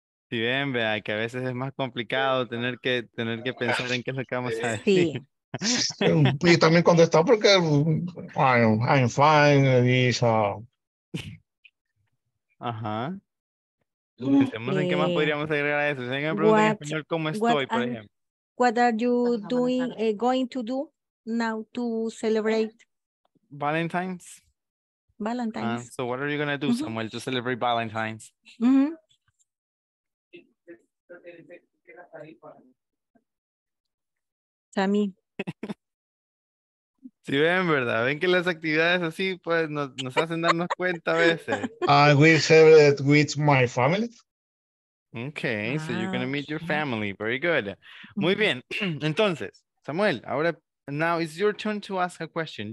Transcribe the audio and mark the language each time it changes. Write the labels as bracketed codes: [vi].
[es] Si ven, vea que a veces es más complicado tener que pensar en qué es lo que vamos a decir. Sí. Y también contestar porque [en] I'm fine. [es] Ajá. Pensemos en qué más podríamos agregar a eso. Si alguien me pregunta en español cómo estoy, por ejemplo. [en] What are you doing, going to do now to celebrate? Valentine's. Valentine's. So what are you going to do, mm-hmm. Samuel, to celebrate Valentine's? Sammy. [es] Si sí, ven, ¿verdad? Ven que las actividades así pues nos hacen darnos cuenta a veces. [en] I will celebrate it with my family. Okay, so you're going to meet your family. Very good. [es] Muy bien. Entonces, Samuel, ahora, [en] now it's your turn to ask a question.